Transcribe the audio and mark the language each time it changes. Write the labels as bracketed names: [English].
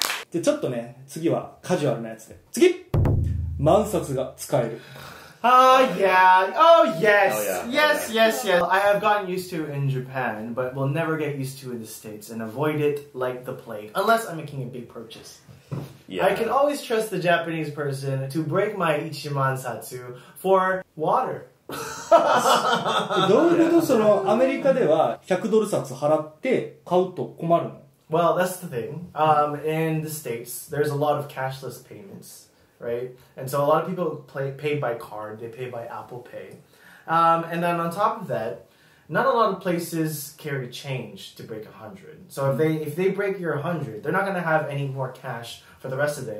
[Japanese] でちょっとね、次はカジュアルなやつで。次、万札が使える。 [English] Oh yes. I have gotten used to in Japan, but will never get used to in the States and avoid it like the plague, unless I'm making a big purchase. Yeah. I can always trust the Japanese person to break my Ichiman Satsu for water. [Japanese] どういうこと、そのアメリカでは100ドル札払って買うと困るの？ [English] Well, that's the thing. In the States, there's a lot of cashless payments, right? And so a lot of people pay by card, they pay by Apple Pay. And then on top of that, not a lot of places carry change to break 100. So if they break your 100, they're not going to have any more cash for the rest of the day.